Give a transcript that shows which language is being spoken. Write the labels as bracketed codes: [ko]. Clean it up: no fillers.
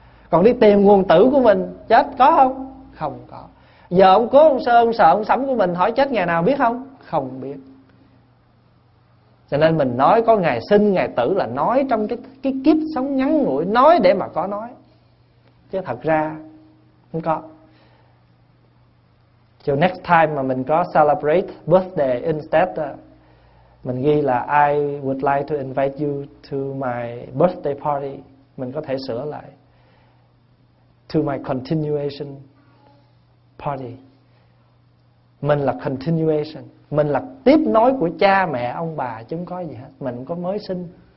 [vi] Còn đi tìm nguồn tử của mình chết có không? Không có. Giờ ông Cố, ông Sơ, ông Sợ, ông Sắm của mình hỏi chết ngày nào biết không? Không biết. Cho nên mình nói có ngày sinh, ngày tử là nói trong cái kiếp sống ngắn ngủi, nói để mà có nói. Chứ thật ra không có. [en] Cho next time [vi] mà mình có [en] celebrate birthday instead, [vi] mình ghi là [en] I would like to invite you to my birthday party. [vi] Mình có thể sửa lại [en] to my continuation party. [vi] Mình là continuation, mình là tiếp nối của cha mẹ ông bà, chứ không có gì hết. Mình có mới sinh.